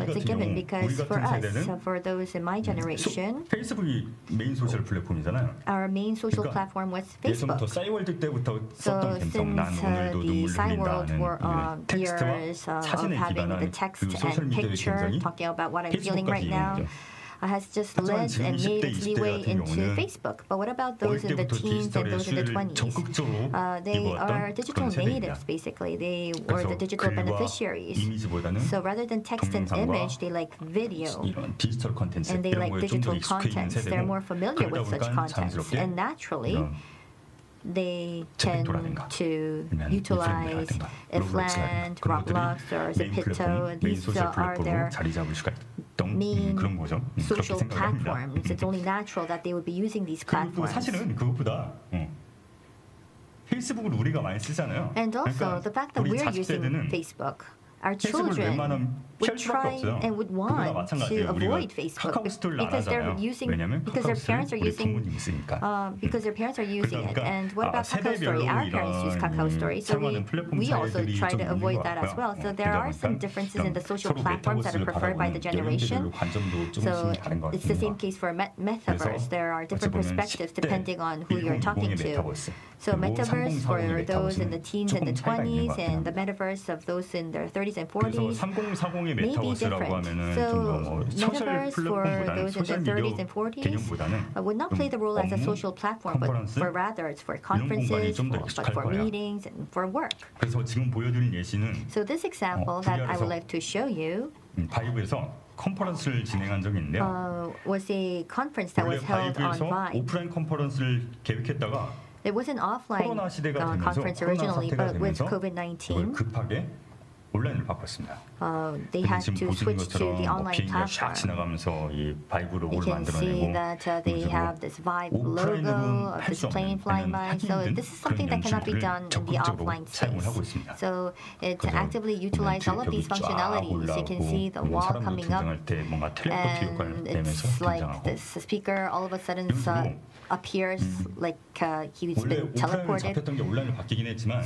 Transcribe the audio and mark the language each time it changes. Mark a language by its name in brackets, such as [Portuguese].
[English] It's a given because for us, for those in my generation, [Korean] Facebook이 메인 소셜 플랫폼이잖아요. [English] Our main social platform was Facebook. [Korean] 예전부터 사이월드 때부터 썼던 감성, 난 오늘도 눈물 흘린다 하는 텍스트와 사진에 기반한 그 소셜미디어의 굉장히 Facebook까지 [English] has just led and made its way into Facebook. But what about those in the teens and those in the 20s? They are digital natives, basically. They were the digital beneficiaries. So rather than text and image, they like video. And they like digital content. They're more familiar with such content. And naturally, they tend to utilize Ifland, Roblox, or Zepeto. These are their main social platforms. It's only natural that they would be using these platforms. [Korean] 사실은 그것보다 페이스북을 우리가 많이 쓰잖아요. [English] And also the fact that we're using Facebook, our children would try and would want to avoid Facebook because they're using because their parents are using because their parents are using it. And what about Kakao Story? Our parents use Kakao Story, so we also try to avoid that as well. So there are some differences in the social platforms that are preferred by the generation. So it's the same case for metaverse. There are different perspectives depending on who you're talking to. So metaverse for those in the teens and the 20s, and the metaverse of those in their 30s and 40s. May be different. So, metaverse for those in their 30s and 40s would not play the role as a social platform, but for rather it's for conferences, for meetings, and for work. So, this example that I would like to show you. [Korean] 컨퍼런스를 진행한 적이 있는데요. [English] Was a conference that was held on Vine. [Korean] 오프라인 컨퍼런스를 계획했다가 [English] It was an offline conference originally, but with COVID-19, [Korean] 급하게 온라인을 바꿨습니다. [English] They had to switch to the online platform. [Korean] 비행기가 샥 지나가면서 이 바이브 로고를 만들어내고 [English] You can see that they have this vibe logo of this plane flying by. So this is something that cannot be done in the offline space. So it actively utilizes all of these functionalities. You can see the wall coming up. And it's like this speaker all of a sudden appears like he's been teleported.